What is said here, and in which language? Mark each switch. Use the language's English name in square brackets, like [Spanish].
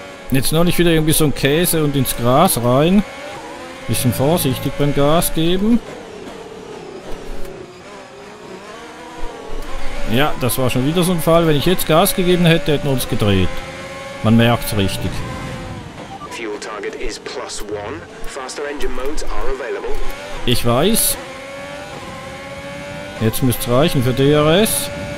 [German] Jetzt noch nicht wieder irgendwie so ein Käse und ins Gras rein. Bisschen vorsichtig beim Gas geben. Ja, das war schon wieder so ein Fall. Wenn ich jetzt Gas gegeben hätte, hätten wir uns gedreht. Man merkt's richtig. [English] Fuel target is plus one. Faster engine modes are available. [German] Ich weiß. Jetzt müsste reichen für DRS.